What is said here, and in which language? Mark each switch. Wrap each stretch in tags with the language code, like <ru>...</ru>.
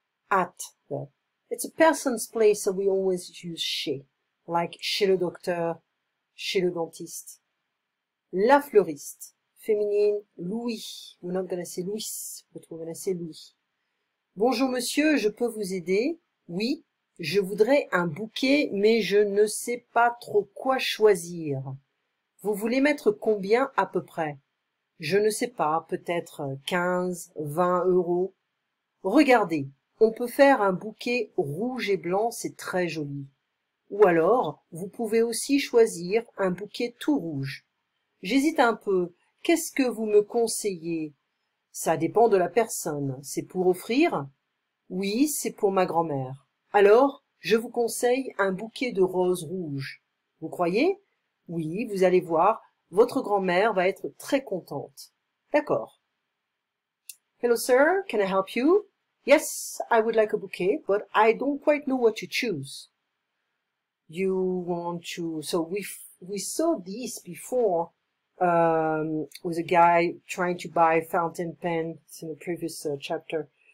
<en>At the, it's a person's place, so we always use chez, like</en> <fr>chez le docteur, chez le dentiste. La fleuriste. Féminine, Louis.</fr> <en>We're not gonna say Louis, but we're gonna say Louis.</en> <fr>Bonjour monsieur, je peux vous aider? Oui, je voudrais un bouquet, mais je ne sais pas trop quoi choisir. Vous voulez mettre combien à peu près? Je ne sais pas, peut-être 15, 20 euros. Regardez, on peut faire un bouquet rouge et blanc, c'est très joli. Ou alors, vous pouvez aussi choisir un bouquet tout rouge. J'hésite un peu. Qu'est-ce que vous me conseillez? Ça dépend de la personne. C'est pour offrir? Oui, c'est pour ma grand-mère. Alors, je vous conseille un bouquet de roses rouges. Vous croyez? Oui, vous allez voir, votre grand-mère va être très contente.</fr> <en>D'accord. Hello, sir. Can I help you? Yes, I would like a bouquet, but I don't quite know what to choose. You want to... So, we saw this before. With a guy trying to buy a fountain pen, it's in the previous chapter.</en>